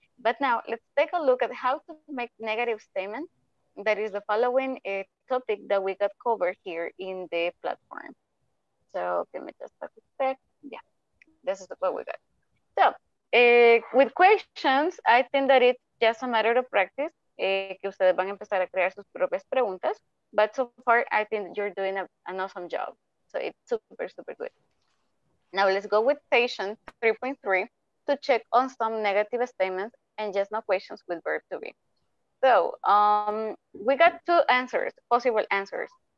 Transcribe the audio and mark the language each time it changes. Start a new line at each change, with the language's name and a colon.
English: But now let's take a look at how to make negative statements. That is the following topic that we got covered here in the platform. So give me just a sec. Yeah, this is what we got. So with questions, I think that it's just a matter of practice.
Spanish: Que ustedes van a empezar a crear sus propias preguntas.
English: But so far, I think you're doing an awesome job. So it's super, super good. Now let's go with patient 3.3 to check on some negative statements and just no questions with verb to be. So we got two answers, possible answers.